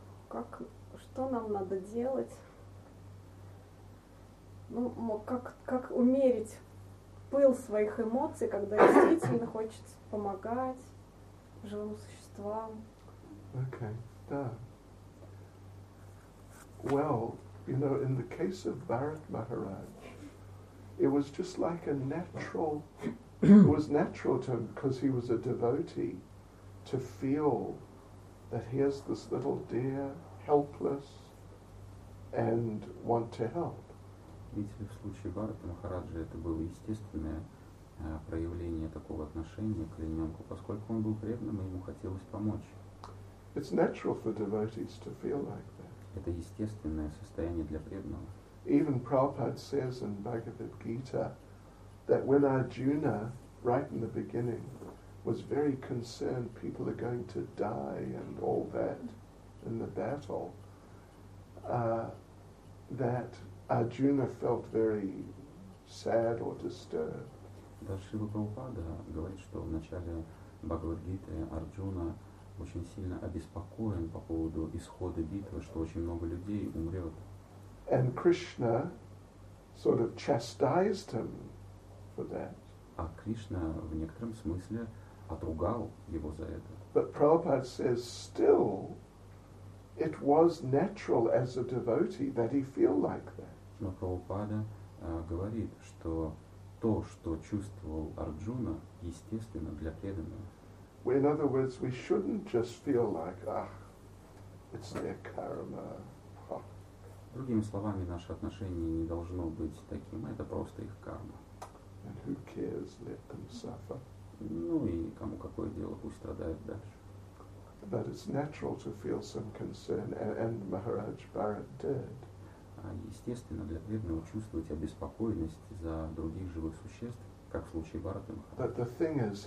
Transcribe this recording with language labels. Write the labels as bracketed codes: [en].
[ru] Как, что нам надо делать? Ну, как умерить пыл своих эмоций, когда действительно хочется помогать живым существам? Okay, да. [en] Well, you know, in the case of Bharat Maharaj, it was just like a natural, it was natural to him, because he was a devotee, to feel that here's this little deer, helpless, and want to help. [ru] Если в случае Бхараты Махараджи это было естественное проявление такого отношения к олененку, поскольку он был преданным, и ему хотелось помочь. [en] It's natural for devotees to feel like that. [ru] Это естественное состояние для преданного. [en] Even Prabhupada says in Bhagavad Gita that when Arjuna, right in the beginning, was very concerned people are going to die and all that in the battle, that Arjuna felt very sad or disturbed. [ru] Шрила Прабхупада говорит, что в начале Бхагавад-гиты Арджуна очень сильно обеспокоен по поводу исхода битвы, что очень много людей умрет. [en] And Krishna sort of chastised him for that. [ru] А Кришна в некотором смысле отругал его за это. [en] But Prabhupada says still it was natural as a devotee that he feel like that. [ru] Но Прабхупада говорит, что то, что чувствовал Арджуна, естественно для преданного. [en] Well, in other words, we shouldn't just feel like, ah, it's their karma. [ru] Другими словами, наше отношение не должно быть таким, это просто их карма. [en] And who cares, let them suffer. [ru] Ну и кому какое дело, пусть страдают дальше. [en] But it's natural to feel some concern, and Maharaj Bharat did. [ru] Естественно, для преданного чувствовать обеспокоенность за других живых существ, как в случае Бхараты